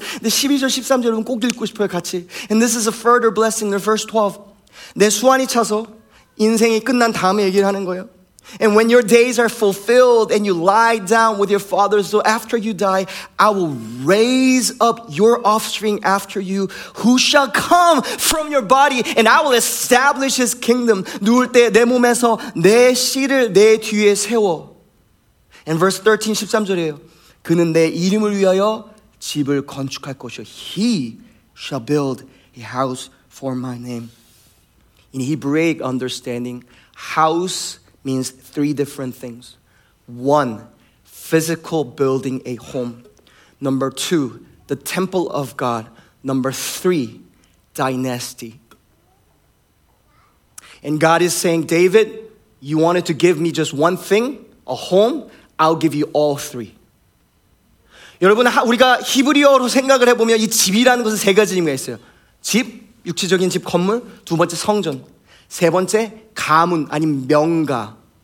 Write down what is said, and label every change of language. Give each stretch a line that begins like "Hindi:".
Korean: 12절, 13절 여러분 꼭 읽고 싶어요, 같이.
English: And this is a further blessing. The verse 12.
Korean: 내 수완이 차서 인생이 끝난 다음에 얘기를 하는 거예요.
English: And when your days are fulfilled and you lie down with your fathers, so after you die, I will raise up your offspring after you, who shall come from your body, and I will establish his kingdom.
Korean: 누울 때 내 몸에서 내 씨를 내 뒤에 세워.
English: And verse 13,
Korean: 13절이에요. 그는 내 이름을 위하여 집을 건축할 것이요.
English: He shall build a house for my name. In Hebraic understanding, house means three different things. One, physical building a home. Number two, the temple of God. Number three, dynasty. And God is saying, David, you wanted to give me just one thing, a home? I'll give you all three.
Korean: 여러분, 우리가 히브리어로 생각을 해보면 이 집이라는 것은 세 가지 의미가 있어요. 집, 육체적인 집, 건물, 두 번째 성전, 세 번째 가문, 아니면 명가.